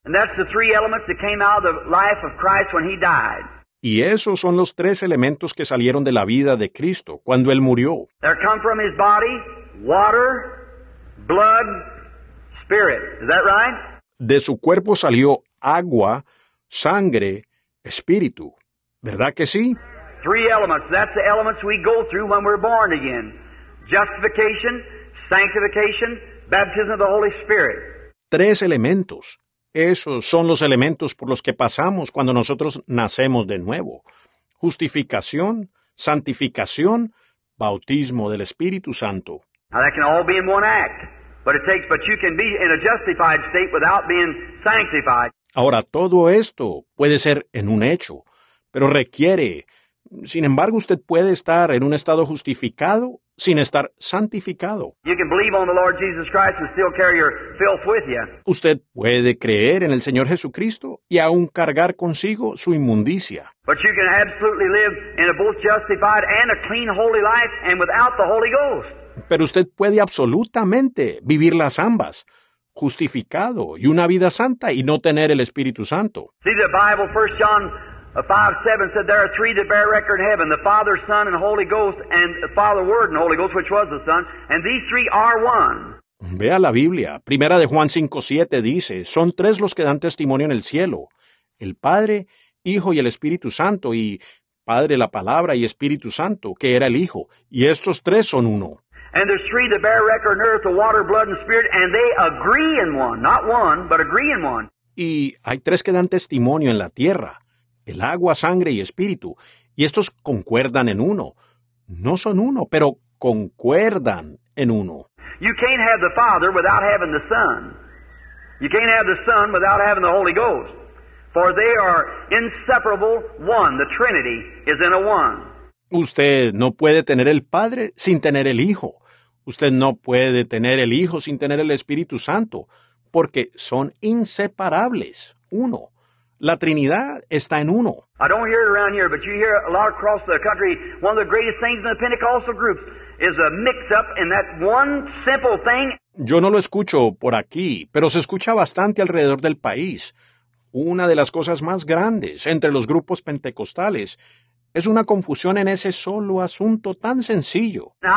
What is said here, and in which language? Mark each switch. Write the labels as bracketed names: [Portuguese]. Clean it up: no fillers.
[English] And that's the three elements that came out of the life of Christ when he died. [Spanish] Y esos son los tres elementos que salieron de la vida de Cristo cuando él murió. [English] They come from his body, water, blood, spirit. Is that right? [Spanish] De su cuerpo salió agua, sangre, espíritu. ¿Verdad que sí? [English] Three elements. That's the elements we go through when we're born again. Justification, sanctification, baptism of the Holy Spirit. [Spanish] Tres elementos. Esos son los elementos por los que pasamos cuando nosotros nacemos de nuevo. Justificación, santificación, bautismo del Espíritu Santo. [English] Now that can all be in one act. But you can be in a justified state without being sanctified. [Spanish] Ahora, todo esto puede ser en un hecho, pero requiere... Sin embargo, usted puede estar en un estado justificado sin estar santificado. [English] You can believe on the Lord Jesus Christ and still carry your filth with you. [Spanish] Usted puede creer en el Señor Jesucristo y aún cargar consigo su inmundicia. [English] But you can absolutely live in a both justified and a clean, holy life and without the Holy Ghost. [Spanish] Pero usted puede absolutamente vivir las ambas, justificado y una vida santa y no tener el Espíritu Santo. [English] See the Bible, 1 John 5:7 said there are three that bear record in heaven, the Father, Son, and Holy Ghost, and the Father, Word, and Holy Ghost, which was the Son, and these three are one. [Spanish] Vea la Biblia. Primera de Juan 5:7 dice, son tres los que dan testimonio en el cielo, el Padre, Hijo y el Espíritu Santo, y Padre la Palabra y Espíritu Santo, que era el Hijo, y estos tres son uno. [English] And there's three that bear record in earth, the water, blood, and spirit, and they agree in one, not one, but agree in one. [Spanish] Y hay tres que dan testimonio en la tierra. El agua, sangre y espíritu. Y estos concuerdan en uno. No son uno, pero concuerdan en uno. [English] You can't have the Father without having the Son. You can't have the Son without having the Holy Ghost. For they are inseparable one. The Trinity is in a one. [Spanish] Usted no puede tener el Padre sin tener el Hijo. Usted no puede tener el Hijo sin tener el Espíritu Santo, porque son inseparables, uno. La Trinidad está en uno. [English] I don't hear it around here, but you hear it a lot across the country. One of the greatest things in the Pentecostal groups is a mix up in that one simple thing. [Spanish] Yo no lo escucho por aquí, pero se escucha bastante alrededor del país. Una de las cosas más grandes entre los grupos pentecostales es una confusión en ese solo asunto tan sencillo.